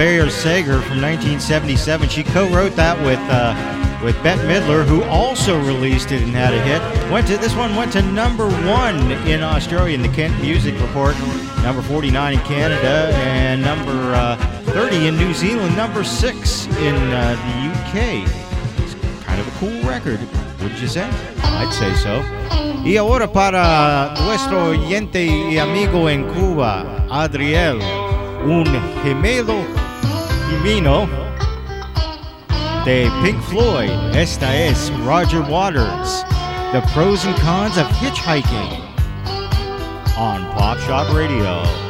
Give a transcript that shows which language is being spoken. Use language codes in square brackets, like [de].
[en] Sager from 1977. She co-wrote that with Bette Midler, who also released it and had a hit. This one went to number one in Australia in the Kent Music Report, number 49 in Canada, and number 30 in New Zealand, number 6 in the UK. It's kind of a cool record, wouldn't you say? I'd say so. [es] Y ahora para nuestro oyente y amigo en Cuba, Adriel, un gemelo Vino de Pink Floyd. Esta es Roger Waters. [en] The pros and cons of hitchhiking on Pop Shop Radio.